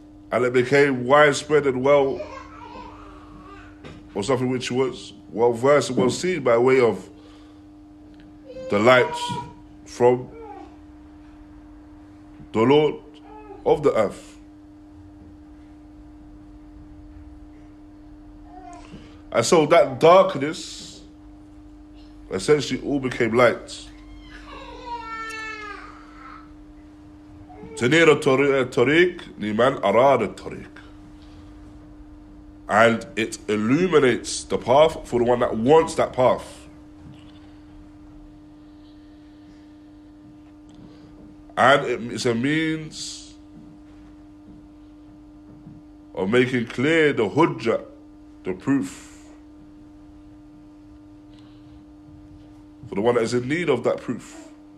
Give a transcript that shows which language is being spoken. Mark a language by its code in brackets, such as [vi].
[en] And it became widespread and well, or something which was well versed, well seen by way of the light from the Lord of the earth. And so that darkness essentially all became light. [ar] تنير الطريق لمن أراد الطريق. [en] And it illuminates the path for the one that wants that path. And it's a means of making clear the hujjah, the proof, for the one that is in need of that proof.